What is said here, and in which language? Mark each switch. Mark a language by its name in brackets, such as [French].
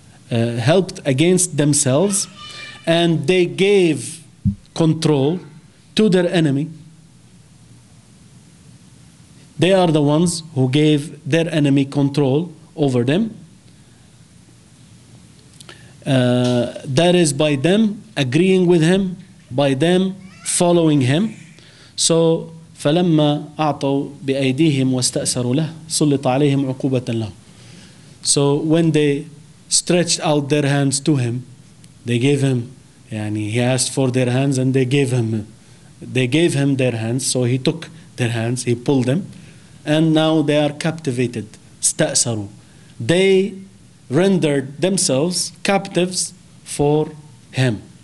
[English] Helped against themselves, and they gave control to their enemy. They are the ones who gave their enemy control over them. That is by them agreeing with him, by them following him. [Arabic] So فلما أعطوا بأيديهم واستأسروا له سلط عليهم عقوبة له. [English] So when they stretched out their hands to him, they gave him, يعني he asked for their hands and they gave him their hands. So he took their hands, he pulled them, and now they are captivated. [Arabic] استأسروا. [English] They rendered themselves captives for him.